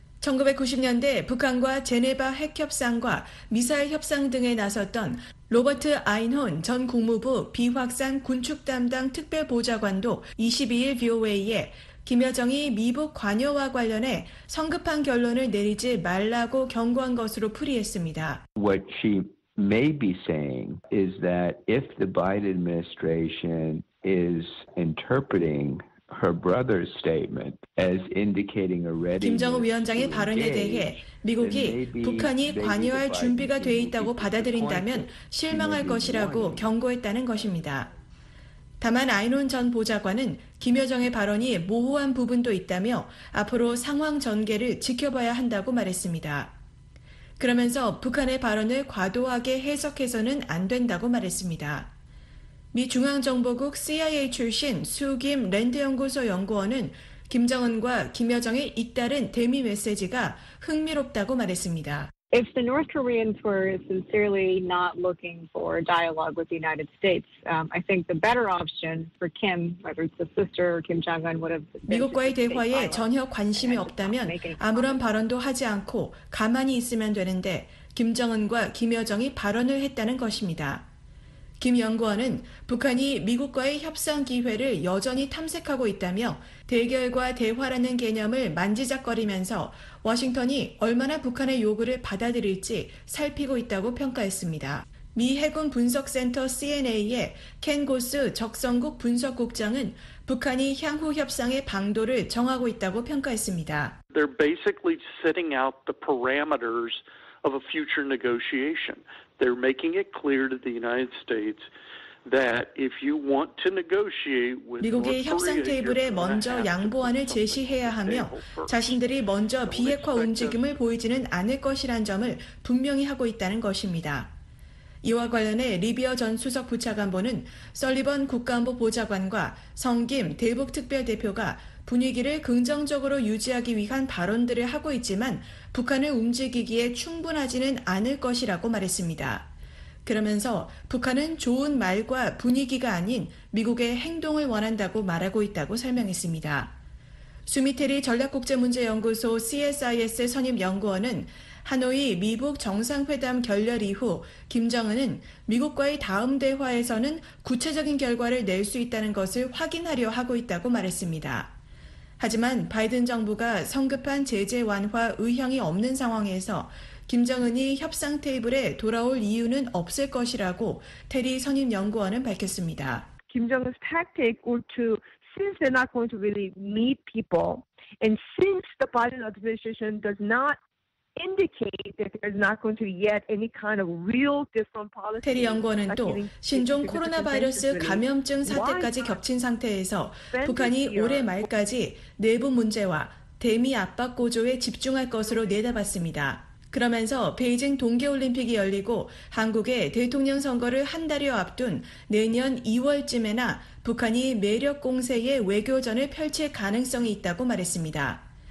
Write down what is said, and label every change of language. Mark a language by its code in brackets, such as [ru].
[ko] 1990년대 북한과 제네바 핵협상과 미사일 협상 등에 나섰던 로버트 아인혼 전 국무부 비확산 군축 담당 특별보좌관도 22일 VOA에 김여정이 미북 관여와 관련해 성급한 결론을 내리지 말라고 경고한 것으로 풀이했습니다. [en] What she may be saying is that if the Biden administration is interpreting her brother's statement as indicating a readiness, [ko] 김정은 위원장의 발언에 대해 미국이 북한이 관여할 준비가 돼 있다고 받아들인다면 실망할 것이라고 경고했다는 것입니다. 다만 아인혼 전 보좌관은 김여정의 발언이 모호한 부분도 있다며 앞으로 상황 전개를 지켜봐야 한다고 말했습니다. 그러면서 북한의 발언을 과도하게 해석해서는 안 된다고 말했습니다. 미 중앙정보국 CIA 출신 수김 랜드연구소 연구원은 김정은과 김여정의 잇따른 대미 메시지가 흥미롭다고 말했습니다. [en] If the North Koreans were sincerely not looking for dialogue with the United States, I think the better option for Kim, whether it's the sister or Kim Jong-un, would have been [ko] 미국과의 대화에 전혀 관심이 없다면 아무런 발언도 하지 않고 가만히 있으면 되는데 김정은과 김여정이 발언을 했다는 것입니다. 김 연구원은 북한이 미국과의 협상 기회를 여전히 탐색하고 있다며 대결과 대화라는 개념을 만지작거리면서 워싱턴이 얼마나 북한의 요구를 받아들일지 살피고 있다고 평가했습니다. 미 해군 분석센터 CNA의 켄 고스 적성국 분석국장은 북한이 향후 협상의 방도를 정하고 있다고 평가했습니다. [en] They're basically setting out the parameters of a future negotiation. They're making it clear to the United States that if you want to negotiate with North Korea, [ko] 미국이 협상 테이블에 먼저 양보안을 제시해야 하며 자신들이 먼저 비핵화 움직임을 보이지는 않을 것이란 점을 분명히 하고 있다는 것입니다. 이와 관련해 리비어 전 수석 부차관보는 설리번 국가안보 보좌관과 성 김 대북 특별 대표가 분위기를 긍정적으로 유지하기 위한 발언들을 하고 있지만 북한을 움직이기에 충분하지는 않을 것이라고 말했습니다. 그러면서 북한은 좋은 말과 분위기가 아닌 미국의 행동을 원한다고 말하고 있다고 설명했습니다. 수미테리 전략국제문제연구소 CSIS의 선임 연구원은 하노이 미북 정상회담 결렬 이후 김정은은 미국과의 다음 대화에서는 구체적인 결과를 낼 수 있다는 것을 확인하려 하고 있다고 말했습니다. 하지만 바이든 정부가 성급한 제재 완화 의향이 없는 상황에서 김정은이 협상 테이블에 돌아올 이유는 없을 것이라고 테리 선임 연구원은 밝혔습니다. [en] 김정은 tactic would to since they're not going to really meet people and since the Biden administration does not indicate that there's not going to be yet any kind of real different policy. [ko] 테리 연구원은 또 신종 코로나 바이러스 감염증 사태까지 겹친 상태에서 북한이 올해 말까지 내부 문제와 대미 압박 고조에 집중할 것으로 내다봤습니다. 그러면서 베이징 동계올림픽이 열리고 한국의 대통령 선거를 한 달여 앞둔 내년 2월쯤에나 북한이 매력 공세의 외교전을 펼칠 가능성이 있다고 말했습니다.